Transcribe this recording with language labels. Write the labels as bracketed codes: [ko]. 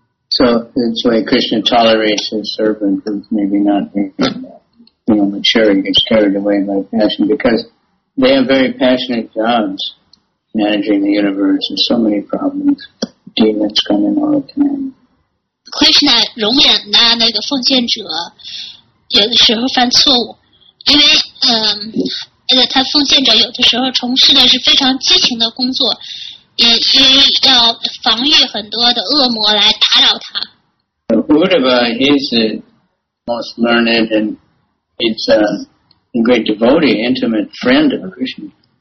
[en] So that's why Krishna tolerates his servant who's maybe not mature and gets carried away by passion because they have very passionate jobs managing the universe and so many problems. Demons come in all the time. [zh] Krishna 容忍那个奉献者，有的时候犯错误，因为他奉献者有的时候从事的是非常激情的工作，也要防御很多的恶魔来打扰他。 [en] Uddhava, he's the most learned and he's a great devotee, intimate friend of Krishna.